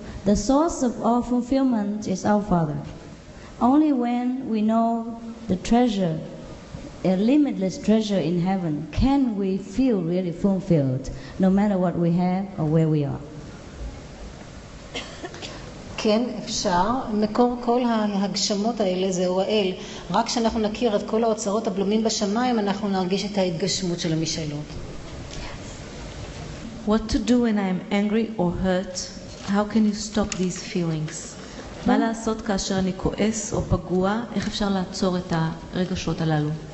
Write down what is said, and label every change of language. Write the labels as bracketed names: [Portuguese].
[English] The source of all fulfillment is our Father. Only when we know the treasure, a limitless treasure in heaven, can we feel really fulfilled, no matter what we have or where we are. [Hebrew] כן, אפשר. מקור כל ההגשמות האלה זה האל. רק כשאנחנו נכיר את כל האוצרות הבלומים בשמיים, אנחנו נרגיש את ההתגשמות של המשאלות. [English] What to do when I am angry or hurt? How can you stop these feelings? [Hebrew] מה לעשות כאשר אני כועס או פגוע? איך אפשר לעצור את הרגשות הללו?